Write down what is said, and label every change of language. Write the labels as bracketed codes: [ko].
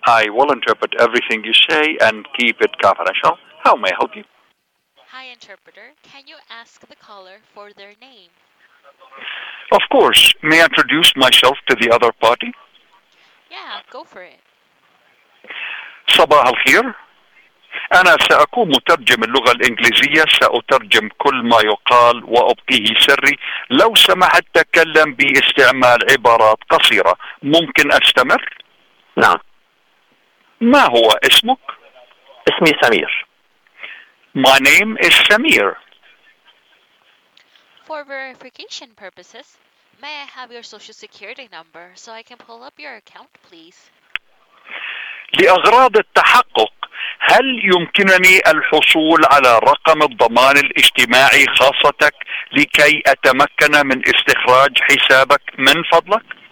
[en] I will interpret everything you say and keep it confidential. How may I help you? Hi, interpreter. Can you ask the caller for their name? Of course. May I introduce myself to the other party? Yeah, go for it. [ar] Sabah al-khir. أنا سأكون مترجم اللغة الإنجليزية، سأترجم كل ما يقال وأبقيه سري. لو سمحت تكلم باستعمال عبارات قصيرة، ممكن أستمر؟ نعم. ما هو اسمك؟ اسمي سمير. [en] My name is Samir. For verification purposes, may I have your social security number so I can pull up your account, please? [ar] لأغراض التحقق، هل يمكنني الحصول على رقم الضمان الاجتماعي خاصتك لكي أتمكن من استخراج حسابك من فضلك؟